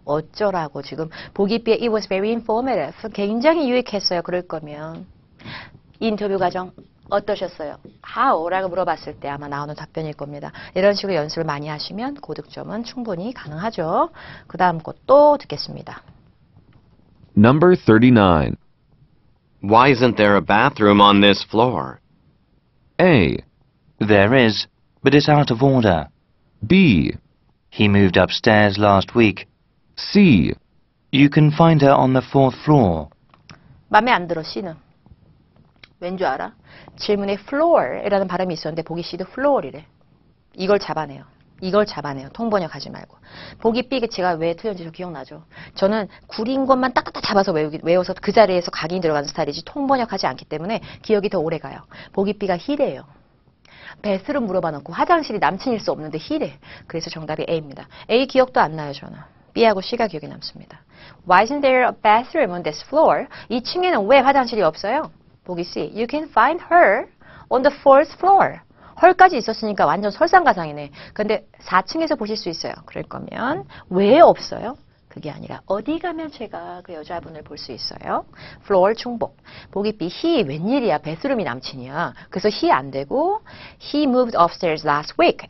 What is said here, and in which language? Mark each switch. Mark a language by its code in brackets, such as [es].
[ko] 어쩌라고 지금 보기 B에 [en] it was very informative. [ko] 굉장히 유익했어요. 그럴 거면 인터뷰 과정. 어떠셨어요? How?라고 물어봤을 때 아마 나오는 답변일 겁니다. 이런 식으로 연습을 많이 하시면 고득점은 충분히 가능하죠. 그 다음 것도 듣겠습니다. [en] Number 39. Why isn't there a bathroom on this floor? A. There is, but it's out of order. B. He moved upstairs last week. C. You can find her on the fourth floor. [ko] 맘에 안 들어, C는. 왠 줄 알아? 질문에 floor이라는 발음이 있었는데 보기 C도 floor이래. 이걸 잡아내요. 이걸 잡아내요. 통번역하지 말고. 보기 B가 제가 왜 틀렸는지 기억나죠? 저는 구린 것만 딱딱딱 잡아서 외워서 그 자리에서 각인이 들어가는 스타일이지 통번역하지 않기 때문에 기억이 더 오래 가요. 보기 B가 he래요. 베스룸 물어봐놓고 화장실이 남친일 수 없는데 he래. 그래서 정답이 A입니다. A 기억도 안 나요, 저는. B하고 C가 기억이 남습니다. [en] Why isn't there a bathroom on this floor? [ko] 이 층에는 왜 화장실이 없어요? 보기 C. [en] You can find her on the fourth floor. [ko] her까지 있었으니까 완전 설상가상이네. 근데 4층에서 보실 수 있어요. 그럴 거면 왜 없어요? 그게 아니라 어디 가면 제가 그 여자분을 볼 수 있어요? floor 중복. 보기 B. he 웬일이야. 베스룸이 남친이야. 그래서 [en] he [ko] 안 되고 [en] he moved upstairs last week.